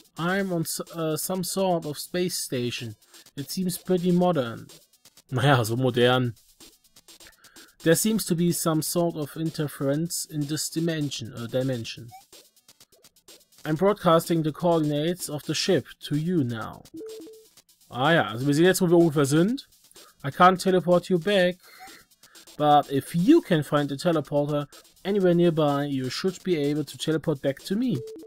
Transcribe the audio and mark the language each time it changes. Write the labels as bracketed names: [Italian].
[English] I'm on some sort of space station. It seems pretty modern. [German] Naja, so modern. [English] There seems to be some sort of interference in this dimension, dimension. I'm broadcasting the coordinates of the ship to you now. [German] Ah ja, also wir sehen jetzt, wo wir ungefähr sind. [English] I can't teleport you back, but if you can find the teleporter anywhere nearby, you should be able to teleport back to me.